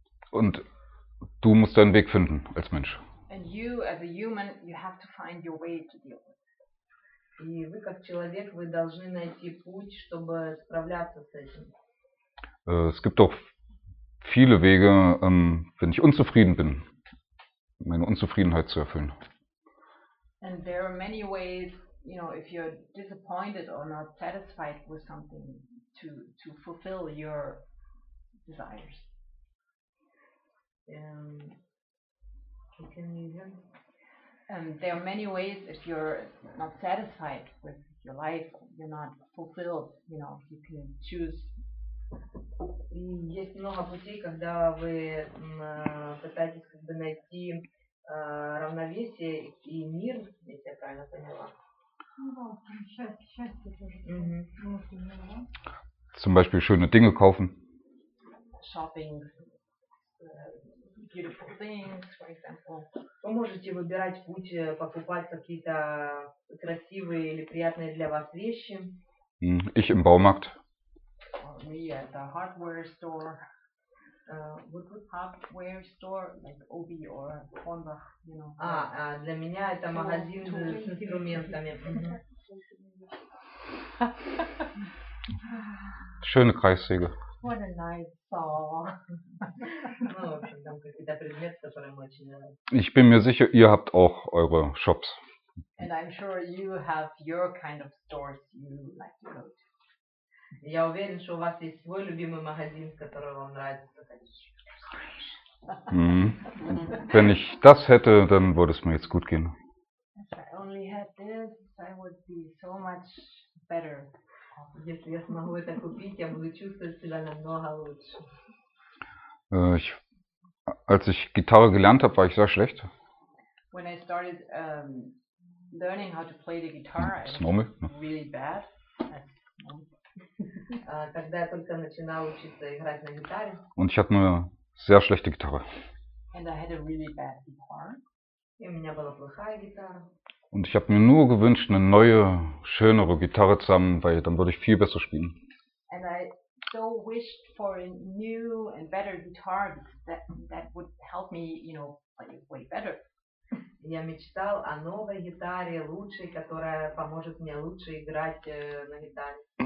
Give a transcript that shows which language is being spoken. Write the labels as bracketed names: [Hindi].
[German] Und du musst deinen Weg finden als Mensch. [English] And you, as a human, you have to find your way to deal with. [Russian] И вы как человек, вы должны найти путь, чтобы справляться с этим. [German] Es gibt auch viele Wege, wenn ich unzufrieden bin, meine Unzufriedenheit zu erfüllen. [English] And there are many ways, you know, if you're disappointed or not satisfied with something, to fulfill your desires. There are many ways if you're not satisfied with your life, you're not fulfilled, you know, you can choose. [Russian] И есть много путей, когда вы пытаетесь как бы найти равновесие и мир, если я правильно поняла. Счастье тоже. [German] Zum Beispiel schöne Dinge kaufen. [English] Shopping. Beautiful things, for example. [Russian] Вы можете выбирать путь покупать какие-то красивые или приятные для вас вещи. [German] Ich im Baumarkt. [English] Me at the hardware store, Woodwood hardware store, like Obi or Hornbach, you know. [Russian] Для меня это магазин с инструментами. [German] Schöne Kreissäge. [English] What a nice saw. [Russian] Ну, в общем, там какие-то предметы, которые мы очень нравятся. [German] Ich bin mir sicher, ihr habt auch eure Shops. [English] And I'm sure you have your kind of stores you like to go to. [Russian] Я уверен, что у вас есть свой любимый магазин, в котором вам нравится ходить. [German] Wenn ich das hätte, dann würde es mir jetzt gut gehen. [English] If I only had this, I would be so much better. [Russian] Если я смогу это купить, я буду чувствовать себя намного лучше. [German] Als ich Gitarre gelernt habe, war ich sehr schlecht. [English] When I started learning how to play the guitar, I was really bad. [Russian] когда я только начинал учиться играть на гитаре. [German] Und ich hatte eine sehr schlechte Gitarre. [English] And I had a really bad guitar. [Russian] И у меня была плохая гитара. [German] Und ich habe mir nur gewünscht, eine neue, schönere Gitarre zu haben, weil dann würde ich viel besser spielen. [English] And I so wished for a new and better guitar that would help me, you know, play way better. [Russian] Я мечтал о новой гитаре, лучшей, которая поможет мне лучше играть на гитаре.